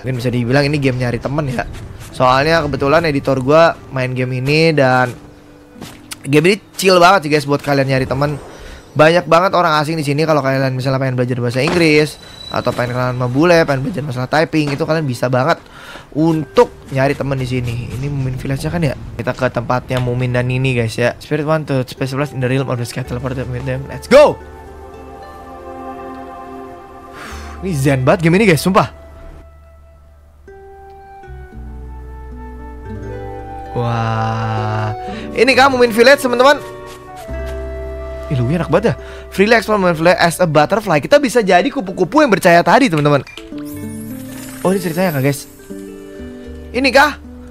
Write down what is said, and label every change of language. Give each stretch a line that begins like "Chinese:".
Indonesian: Mungkin bisa dibilang ini game nyari teman ya. Soalnya kebetulan editor gue main game ini dan game ini chill banget sih guys buat kalian nyari teman. Banyak banget orang asing di sini. Kalau kalian misalnya pengen belajar bahasa Inggris atau pengen kenalan sama bule, pengen belajar masalah typing, itu kalian bisa banget untuk nyari teman di sini. Ini Mumin Village-nya kan ya. Kita ke tempatnya Mumin dan Nini guys ya.
English: Spirit one to space plus in the realm of the sky, teleport with them. Let's go.
Indonesian: Ini zen banget game ini guys, sumpah. Wah. Ini kan Mumin Village, teman-teman. Ih, lumayan enak banget ya.
English: Freely explore Mumin Village as a butterfly.
Indonesian: Kita bisa jadi kupu-kupu yang bercahaya tadi, teman-teman. Oh, ini ceritanya kah, guys? Ini kah?